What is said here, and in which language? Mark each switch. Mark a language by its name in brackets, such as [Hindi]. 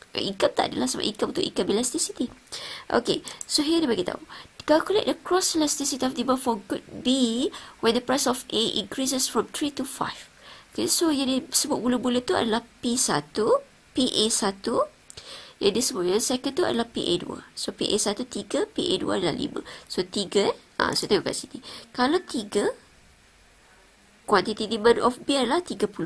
[Malay] Income tak adalah sebab income untuk income elasticity. [English] Okay, so here [Malay] dia beritahu. [English] Calculate the cross elasticity of demand for good B when the price of A increases from 3 to 5. [Malay] Okay, so yang disebut mula-mula tu adalah P1, PA1. Yang disebut yang second tu adalah PA2. So, PA1 3, PA2 adalah 5. So, 3, so tengok kat sini. Kalau 3, quantity demand of B adalah 30.